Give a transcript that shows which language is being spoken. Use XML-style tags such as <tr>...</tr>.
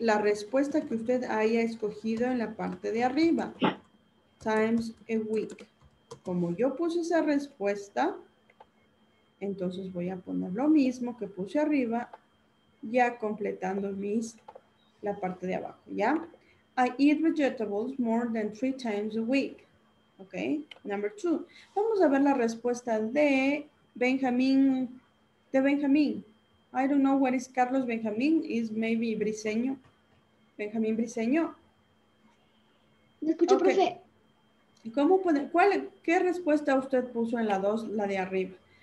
<es>La respuesta que usted haya escogido en la parte de arriba.</es> <en>Times a week.</en> <es>Como yo puse esa respuesta, entonces voy a poner lo mismo que puse arriba, ya completando la parte de abajo, ¿ya?</es> <en>I eat vegetables more than 3 times a week. Ok, number 2.</en> <es>Vamos a ver la respuesta de Benjamín.</es> <en>I don't know what is Carlos Benjamín, is maybe Briseño.</en> <es>Benjamín Briseño. Me escucho, okay. Profe. ¿Cómo puede, cuál, qué respuesta usted puso en la 2, la de arriba?</es>